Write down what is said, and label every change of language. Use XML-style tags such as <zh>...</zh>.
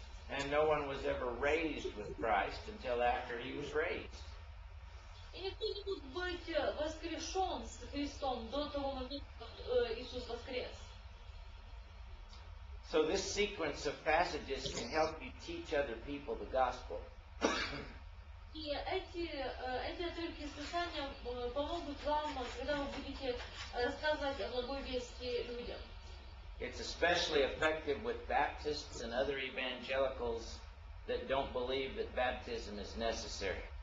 <en>And no one was ever raised with Christ until after He was raised.</en> <ru>И никто не мог быть воскрешен с Христом до того момента, как Иисус воскрес.</ru> <en>So this sequence of passages can help you teach other people the gospel.</en> <ru>И эти отрывки из Писания помогут вам, когда вы будете рассказывать о благой вести людям.</ru> <en>It's especially effective with Baptists and other evangelicals that don't believe that baptism is necessary.</en>